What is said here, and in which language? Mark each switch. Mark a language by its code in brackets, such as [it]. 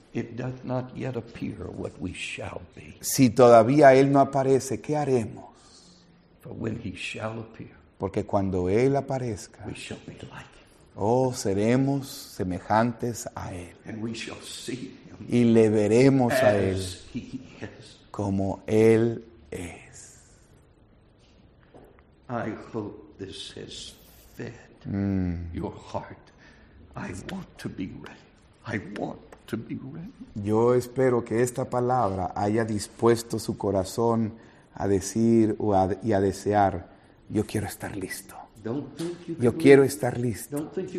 [en] It does not yet appear what we shall be. [es] Si todavía él no aparece, ¿qué haremos? [en] For when he shall appear, [es] porque cuando él aparezca, [en] we shall be like him. [es] Oh, seremos semejantes a Él. [en] And we shall see him [es] y le veremos [en] as [es] a Él [en] he is. [es] Como Él es. [en] I hope this has fed your heart. I want to be ready. I want to be ready. [es] Yo espero que esta palabra haya dispuesto su corazón a decir y a desear, yo quiero estar listo. Yo quiero estar listo.